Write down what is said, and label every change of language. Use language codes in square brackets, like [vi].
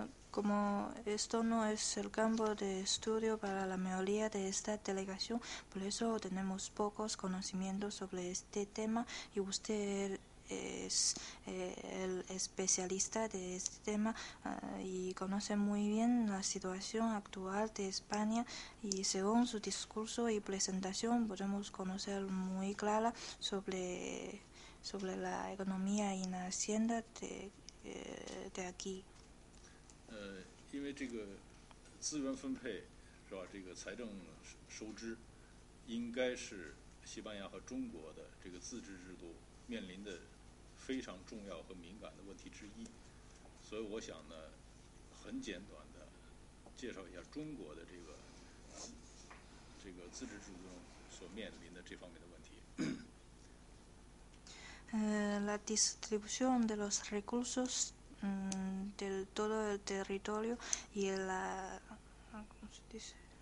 [es] Como esto no es el campo de estudio para la mayoría de esta delegación, por eso tenemos pocos conocimientos sobre este tema y usted es el especialista de este tema y conoce muy bien la situación actual de España y según su discurso y presentación podemos conocer muy clara sobre la economía y la hacienda de aquí. [zh] 因为这个资源分配是吧，这个财政收支应该是西班牙和中国的这个自治制度面临的非常重要和敏感的问题之一，所以我想呢，很简短的介绍一下中国的这个自治制度中所面临的这方面的问题。 [es] La distribución de los recursos de todo el territorio y la ¿cómo se dice?